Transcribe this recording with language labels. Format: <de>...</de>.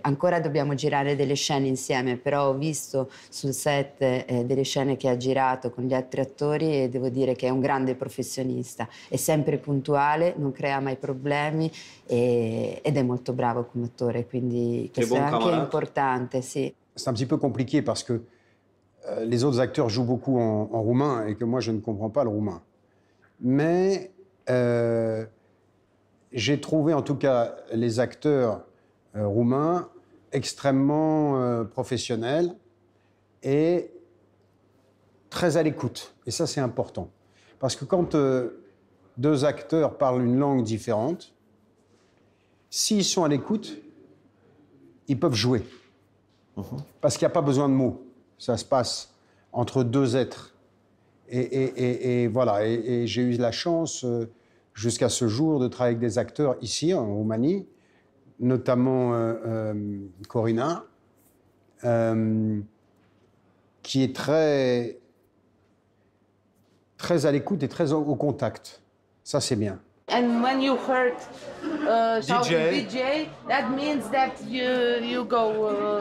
<it>Ancora dobbiamo girare delle scene insieme, però ho visto sul set delle scene che ha girato con gli altri attori e devo dire che è un grande professionista. È sempre puntuale, non crea mai problemi ed è molto bravo come attore, quindi questo è anche importante, sì.</it> <fr>C'est un petit peu compliqué parce que les autres acteurs jouent beaucoup en roumain et que moi je ne comprends pas le roumain. Mais j'ai trouvé en tout cas les acteurs roumains extrêmement professionnels et très à l'écoute. Et ça, c'est important. Parce que quand deux acteurs parlent une langue différente, s'ils sont à l'écoute, ils peuvent jouer. Parce qu'il n'y a pas besoin de mots. Ça se passe entre deux êtres. Et voilà, et j'ai eu la chance... jusqu'à ce jour, de travailler avec des acteurs ici, en Roumanie, notamment Corinna, qui est très, très à l'écoute et très au contact. Ça, c'est bien.</fr> <en>And when you heard DJ, that means that you go.</en>